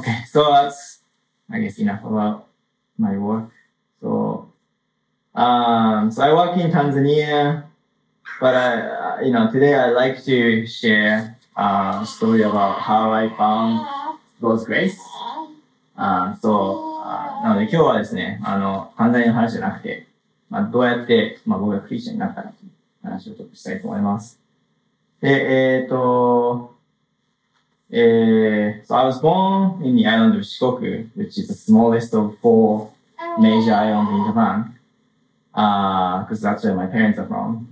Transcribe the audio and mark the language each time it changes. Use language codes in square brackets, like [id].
[en] Okay, so that's,I guess enough about my work. So I work in Tanzania, but today I'd like to share a story about how I found God's grace. [ja] なので今日はですね、犯罪の話じゃなくて、どうやって、僕がクリスチャンになったかという話をちょっとしたいと思います。 [en] で、So I was born in the island of Shikoku, which is the smallest of four major islands in Japan, because that's where my parents are from.